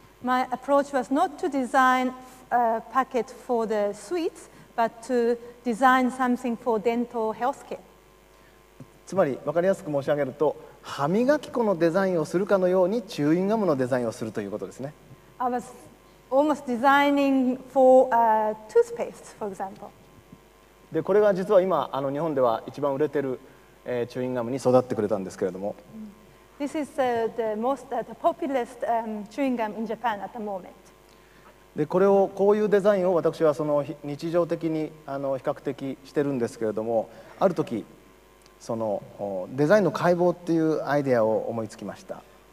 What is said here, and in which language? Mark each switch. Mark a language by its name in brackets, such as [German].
[English] My approach was not to design a packet for the sweets but to design something for dental health care. [Japanese] つまり分かりやすく申し上げると歯磨き粉のデザインをするかのようにチューインガムのデザインをするということですね。 [English] I was almost designing for toothpaste, for example. [Japanese] で、これが実は今日本では一番売れてる、チューインガムに育ってくれたんですけれども。 [English] This is the populist chewing gum in Japan at the moment. [Japanese] で、これをこういうデザインを私はその日常的に比較的してるんですけれども、ある時そのデザインの解剖っていうアイデアを思いつきました。